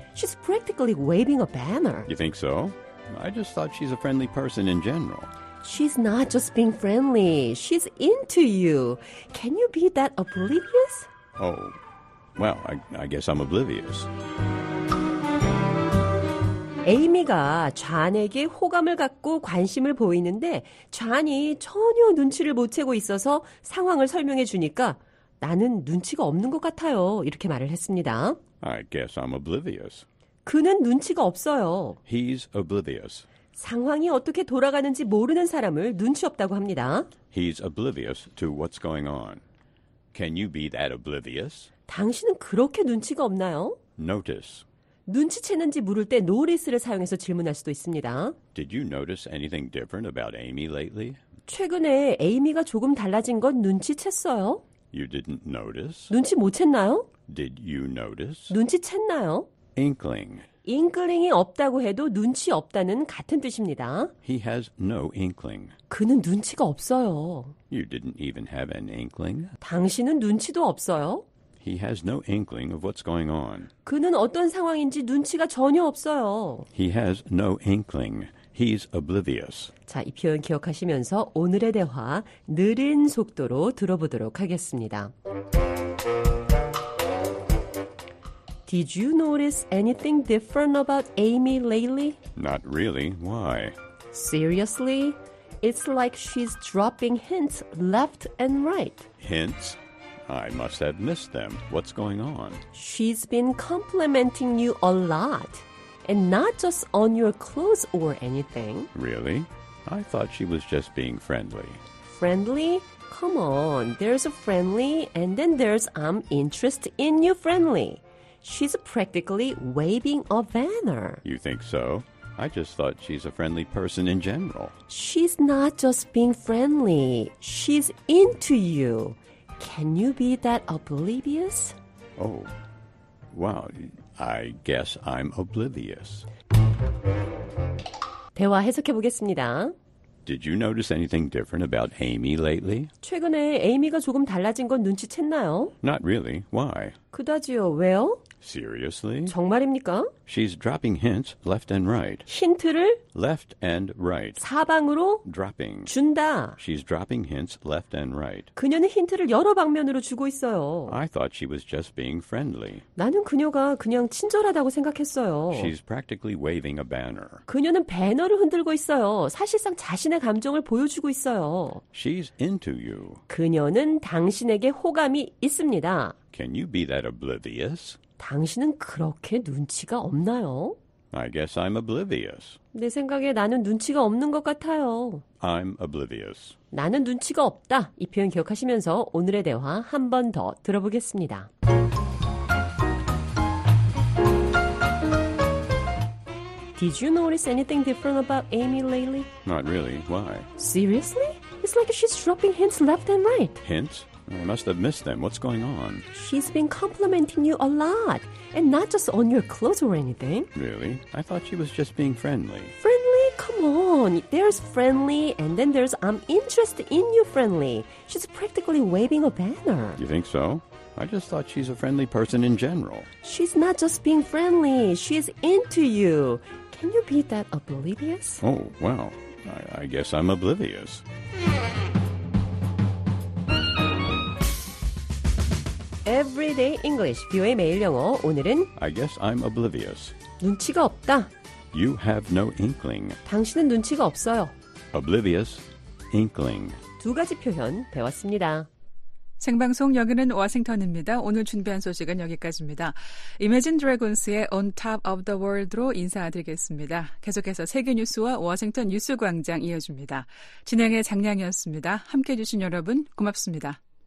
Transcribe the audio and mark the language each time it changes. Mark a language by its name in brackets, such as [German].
[English] She's practically waving a banner. You think so? I just thought she's a friendly person in general. She's not just being friendly. She's into you. Can you be that oblivious? Oh, well, I guess I'm oblivious. [Korean] 에이미가 존에게 호감을 갖고 관심을 보이는데 존이 전혀 눈치를 못 채고 있어서 상황을 설명해 주니까 나는 눈치가 없는 것 같아요. 이렇게 말을 했습니다. [English] I guess I'm oblivious. [Korean] 그는 눈치가 없어요. [English] He's oblivious. [Korean] 상황이 어떻게 돌아가는지 모르는 사람을 눈치 없다고 합니다. [English] He's oblivious to what's going on. Can you be that oblivious? [Korean] 당신은 그렇게 눈치가 없나요? [English] Notice. [Korean] 눈치채는지 물을 때 notice를 사용해서 질문할 수도 있습니다. [English] Did you notice anything different about Amy lately? [Korean] 최근에 에이미가 조금 달라진 건 눈치챘어요? [English] You didn't notice? [Korean] 눈치 못 챘나요? [English] Did you notice? [Korean] 눈치챘나요? [English] Inkling. [Korean] Inkling이 없다고 해도 눈치 없다는 같은 뜻입니다. [English] He has no inkling. [Korean] 그는 눈치가 없어요. [English] You didn't even have an inkling? [Korean] 당신은 눈치도 없어요. [English] He has no inkling of what's going on. [Korean] 그는 어떤 상황인지 눈치가 전혀 없어요. [English] He has no inkling. He's oblivious. [Korean] 자, 이 표현 기억하시면서 오늘의 대화 느린 속도로 들어보도록 하겠습니다. [English] Did you notice anything different about Amy lately? Not really. Why? Seriously? It's like she's dropping hints left and right. Hints? I must have missed them. What's going on? She's been complimenting you a lot. And not just on your clothes or anything. Really? I thought she was just being friendly. Friendly? Come on. There's a friendly, and then there's I'm interested in you friendly. She's practically waving a banner. You think so? I just thought she's a friendly person in general. She's not just being friendly. She's into you. Can you be that oblivious? Oh, wow. I guess I'm oblivious. [Korean] 대화 해석해 보겠습니다. [English] Did you notice anything different about Amy lately? [Korean] 최근에 에이미가 조금 달라진 건 눈치챘나요? [English] Not really. Why? [Korean] 그다지요. 왜요? [English] Seriously? [Korean] 정말입니까? [English] She's dropping hints left and right. [Korean] 힌트를? [English] Left and right. [Korean] 사방으로? [English] Dropping. [Korean] 준다. [English] She's dropping hints left and right. [Korean] 그녀는 힌트를 여러 방면으로 주고 있어요. [English] I thought she was just being friendly. [Korean] 나는 그녀가 그냥 친절하다고 생각했어요. [English] She's practically waving a banner. [Korean] 그녀는 배너를 흔들고 있어요. 사실상 자신의 감정을 보여주고 있어요. [English] She's into you. [Korean] 그녀는 당신에게 호감이 있습니다. [English] Can you be that oblivious? [Korean] 당신은 그렇게 눈치가 없나요? [English] I guess I'm oblivious. [Korean] 내 생각에 나는 눈치가 없는 것 같아요. [English] I'm oblivious. [Korean] 나는 눈치가 없다. 이 표현 기억하시면서 오늘의 대화 한 번 더 들어보겠습니다. [English] Did you notice anything different about Amy lately? Not really. Why? Seriously? It's like she's dropping hints left and right. Hints? I must have missed them. What's going on? She's been complimenting you a lot. And not just on your clothes or anything. Really? I thought she was just being friendly. Friendly? Come on. There's friendly, and then there's I'm interested in you friendly. She's practically waving a banner. You think so? I just thought she's a friendly person in general. She's not just being friendly. She's into you. Can you be that oblivious? Oh, well, I guess I'm oblivious. [Korean] 에브리데이 잉글리시 뷰의 매일 영어 오늘은 [English] I guess I'm oblivious. [Korean] 눈치가 없다. [English] You have no inkling. [Korean] 당신은 눈치가 없어요. [English] Oblivious, inkling. [Korean] 두 가지 표현 배웠습니다. 생방송 여기는 워싱턴입니다. 오늘 준비한 소식은 여기까지입니다. Imagine Dragons의 On Top of the World로 인사드리겠습니다. 계속해서 세계 뉴스와 워싱턴 뉴스 광장 이어집니다. 진행의 장량이었습니다. 함께해 주신 여러분 고맙습니다.